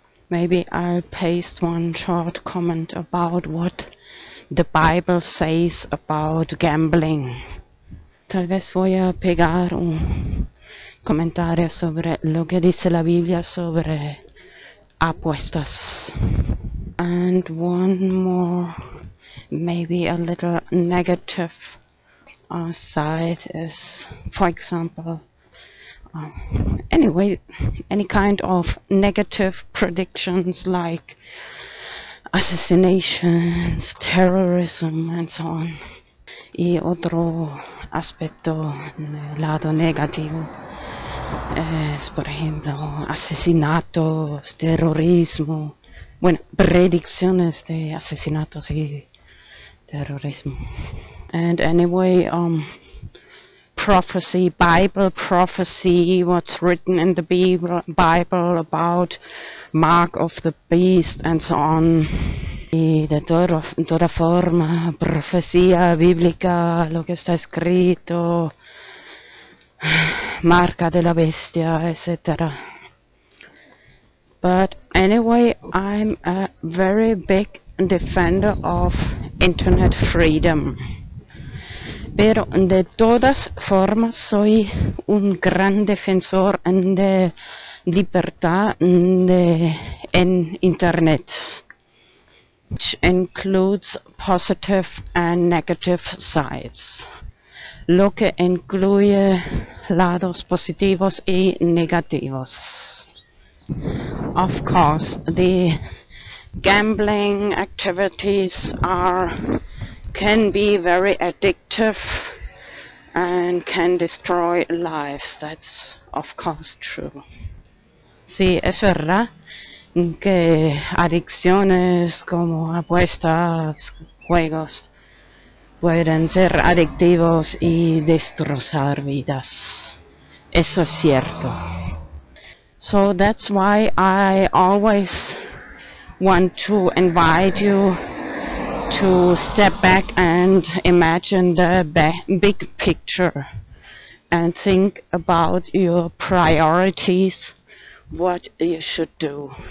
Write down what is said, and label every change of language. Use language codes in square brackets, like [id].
[en] Maybe I'll paste one short comment about what the Bible says about gambling. [es] tal vez voy a pegar un comentario sobre lo que dice la Biblia sobre apuestas. [en] And one more, maybe a little negative side is, for example, anyway, any kind of negative predictions like assassinations, terrorism, and so on. [es] Y otro aspecto, lado negativo, es, por ejemplo, asesinatos, terrorismo, bueno, predicciones de asesinatos y terrorismo. [en] And anyway, prophecy, Bible prophecy, what's written in the Bible about mark of the beast and so on. [es] Y de toda forma, profecía bíblica, lo que está escrito, marca de la bestia, etc. [en] But anyway, I'm a very big defender of internet freedom. [es] Pero de todas formas soy un gran defensor de libertad en internet, [en] which includes positive and negative sides. [es] Lo que incluye lados positivos y negativos. [en] Of course, the gambling activities can be very addictive and can destroy lives. That's of course true. [es] Sí, es verdad que adicciones como apuestas, juegos, pueden ser adictivos y destrozar vidas. Eso es cierto. [en] So that's why I always want to invite you to step back and imagine the big picture and think about your priorities, what you should do.